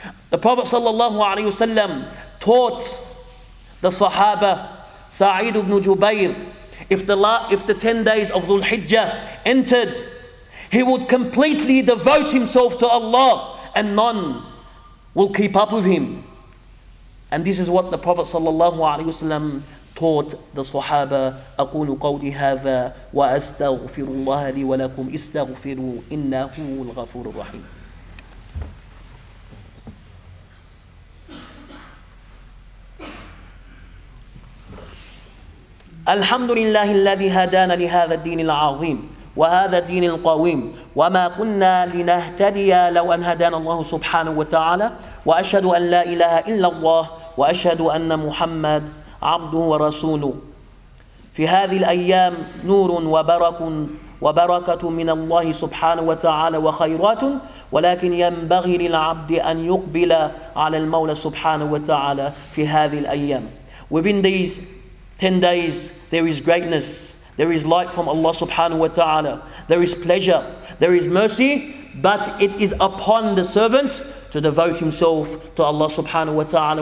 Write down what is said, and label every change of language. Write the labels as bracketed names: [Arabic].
[English] The Prophet sallallahu alaihi wasallam taught the Sahaba Sa'id ibn Jubayr, if the 10 days of Dhul Hijjah entered, he would completely devote himself to Allah and none will keep up with him. And this is what the Prophet sallallahu alaihi wasallam taught the Sahaba. [Arabic] أقول قولي هذا وأستغفر الله لي ولكم استغفروا إنه الغفور الرحيم. الحمد لله الذي هدانا لهذا الدين العظيم وهذا الدين القويم وما كنا لنهتدي لو أن هدانا الله سبحانه وتعالى وأشهد أن لا إله إلا الله وأشهد أن محمد عبده ورسوله. في هذه الأيام نور وبركة من الله سبحانه وتعالى وخيرات، ولكن ينبغي للعبد أن يقبل على المولى سبحانه وتعالى في هذه الأيام. [English] Within these 10 days there is greatness, there is light from Allah subhanahu wa ta'ala, there is pleasure, there is mercy, but it is upon the servant to devote himself to Allah subhanahu wa ta'ala.